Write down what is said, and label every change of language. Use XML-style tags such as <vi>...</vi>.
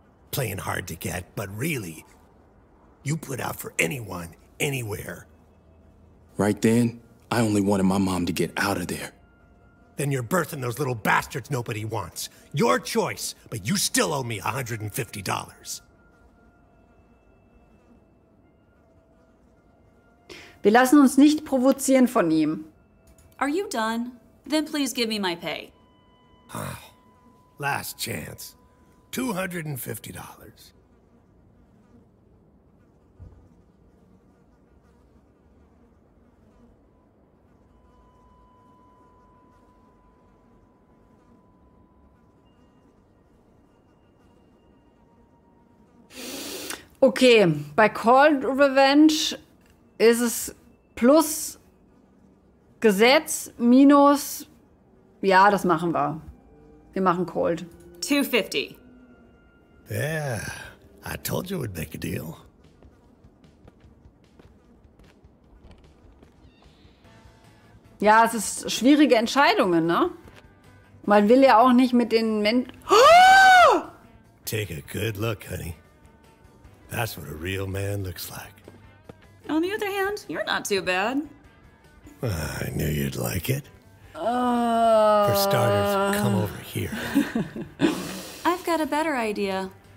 <en>Playing hard to get, but really, you put out for anyone, anywhere. Right then, I only wanted my mom to get out of there. Then you're birthing those little bastards nobody wants. Your choice, but you still owe me $150.</en> <de>Wir lassen uns nicht provozieren von ihm.</de> <en>Are you done? Then please give me my pay. Oh, last chance. $250.</en> <de>Okay, bei Cold Revenge ist es plus Gesetz minus, ja, das machen wir. Wir machen Cold.</de> <en>$250. Yeah, I told you we'd make a deal.</en> <de>Ja, es ist schwierige Entscheidungen, ne? Man will ja auch nicht mit den</de> <en>Take a good look, honey. That's what a real man looks like. On the other hand, you're not too bad. I knew you'd like it. For starters, come over here. I've got a better idea.</en>